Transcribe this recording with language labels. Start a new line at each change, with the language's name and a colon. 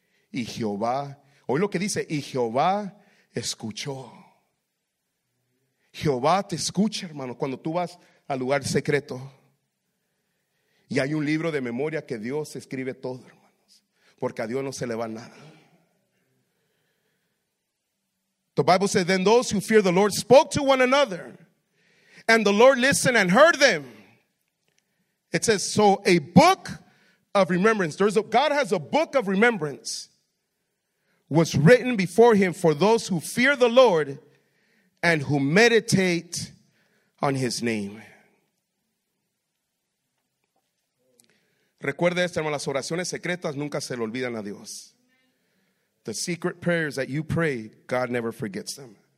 Spanish: Y Jehová, oye lo que dice, y Jehová escuchó. Jehová te escucha, hermano, cuando tú vas al lugar secreto. Y hay un libro de memoria que Dios escribe todo, hermanos. Porque a Dios no se le va nada.
English: The Bible says, then those who fear the Lord spoke to one another. And the Lord listened and heard them. It says, so a book of remembrance. God has a book of remembrance. Was written before him for those who fear the Lord. And who meditate on his name.
Spanish: Recuerde esto, hermano, las oraciones secretas nunca se le olvidan a Dios.
English: The secret prayers that you pray, God never forgets them.